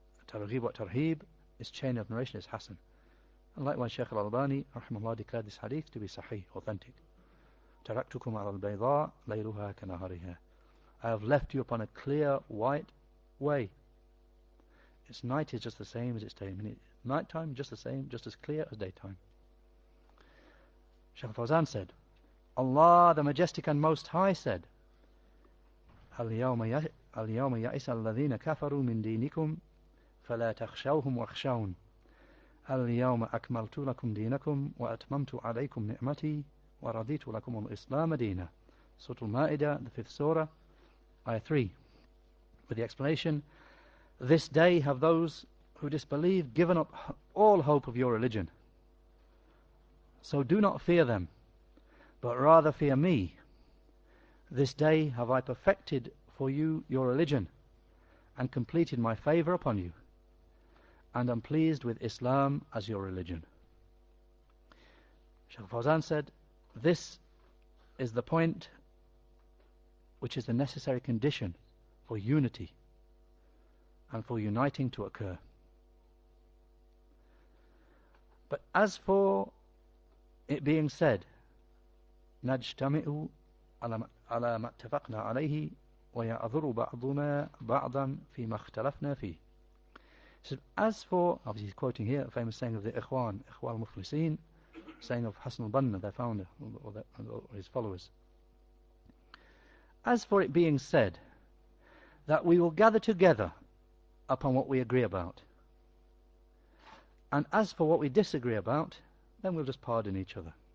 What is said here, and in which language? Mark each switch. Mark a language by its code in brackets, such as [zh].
[en] Targhib wa Tarheeb, its chain of narration is Hassan. And likewise, Shaykh al-Albani, rahimahullah, declared this hadith to be sahih, authentic. [ar] Taraktukum ala al-bayda, layluha kanahariha. [en] I have left you upon a clear, white way. Its night is just the same as its day. Nighttime, just the same, just as clear as daytime. Shaykh al-Fawzan said, Allah, the Majestic and Most High, said, [ar] اليوم يأس الذين كفروا من دينكم فلا تخشوهم واخشون اليوم أكملت لكم دينكم وأتممت عليكم نعمتي ورضيت لكم الإسلام دينا. [en] Surah Al-Ma'idah, the 5th Surah, Ayah 3. With the explanation, this day have those who disbelieve given up all hope of your religion. So do not fear them, but rather fear me. This day have I perfected for you your religion and completed my favour upon you, and am pleased with Islam as your religion. Shaykh Fawzan said, this is the point which is the necessary condition for unity and for uniting to occur. But as for it being said, [ar] نَجْتَمِئُ عَلَى مَا اتَّفَقْنَا عَلَيْهِ وَيَأْذُرُ بَعْضُنَا بَعْضًا فِي مَا اخْتَلَفْنَا فِيهِ. [en] So as for, obviously he's quoting here a famous saying of the Ikhwan, Ikhwan al-Muflisin, saying of Hassan al-Banna, their founder, or his followers. As for it being said, that we will gather together upon what we agree about, and as for what we disagree about, then we'll just pardon each other.